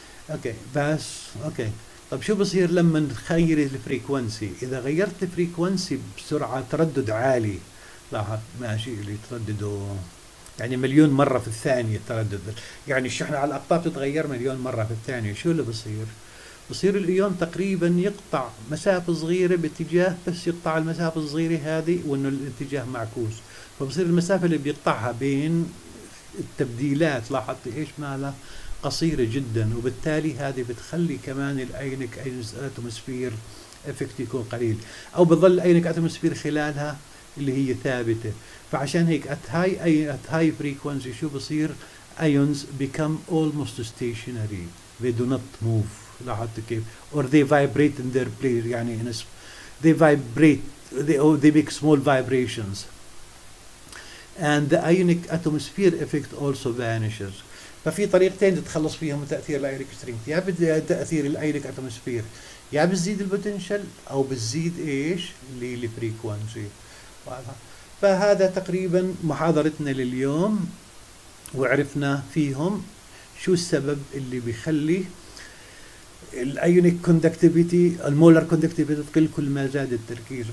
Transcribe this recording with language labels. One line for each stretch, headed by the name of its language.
Arabic: اوكي بس اوكي، طب شو بصير لما نغير الفريكونسي؟ اذا غيرت الفريكونسي بسرعه تردد عالي، لاحظ ماشي اللي تردده يعني مليون مرة في الثانية تردد، يعني الشحنة على الأقطاب تتغير مليون مرة في الثانية، شو اللي بصير؟ بصير الأيون تقريبا يقطع مسافة صغيرة باتجاه، بس يقطع المسافة الصغيرة هذه وإنه الاتجاه معكوس، فبصير المسافة اللي بيقطعها بين التبديلات لاحظت إيش مالها قصيرة جدا، وبالتالي هذه بتخلي كمان الأينك أتموسفير إفكت يكون قليل، أو بظل الأينك أتموسفير خلالها اللي هي ثابتة. فعشان هيك
English: at high at high frequency
Arabic: شو بصير؟
English: ions become almost stationary they do not move.
Arabic: لاحظت كيف؟
English: or they vibrate in their place، يعني they vibrate they make small vibrations and the ionic atmosphere effect also vanishes.
Arabic: ففي طريقتين تتخلص فيهم من تأثير الايونيك سترينج، يا بتأثير الايونيك اتموسفير يا بتزيد البوتنشال او بتزيد ايش للفريكوانسي. فهذا تقريبا محاضرتنا لليوم، وعرفنا فيهم شو السبب اللي بيخلي الايونيك كوندكتيفيتي المولر كوندكتيفيتي تقل كل ما زاد التركيز.